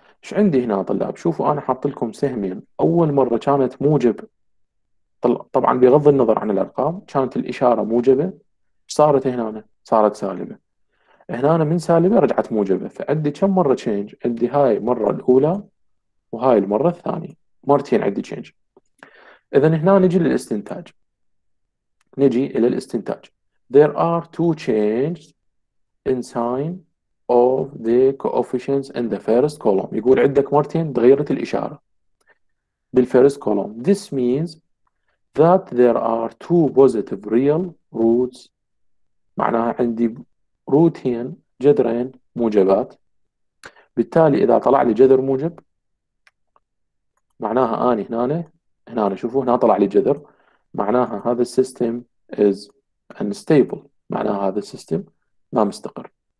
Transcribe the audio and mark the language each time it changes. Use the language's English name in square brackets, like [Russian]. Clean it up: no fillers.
[Arabic] إيش عندي هنا طلاب؟ شوفوا، أنا حاط لكم سهمين. أول مرة كانت موجب، طبعا بغض النظر عن الأرقام، كانت الإشارة موجبة، صارت هنا صارت سالبة. هنا أنا من سالبة رجعت موجبة، فعندي كم مرة تشينج؟ عندي هاي المرة الأولى وهاي المرة الثانية، مرتين عندي تشينج. إذا هنا نجي للاستنتاج، نجي إلى الاستنتاج. [English] There are two changes in sign of the coefficients in the first column. [Arabic] يقول عندك مرتين تغيرت الإشارة بالفيرست كولوم. [English] This means that there are two positive real roots. [Arabic] معناها عندي روتين، جذرين موجبات. بالتالي إذا طلع لي جذر موجب، معناها أنا هنا شوفوا، هنا طلع لي جذر، معناها هذا السيستم [English] is unstable، [Arabic] معناها هذا السيستم ما مستقر.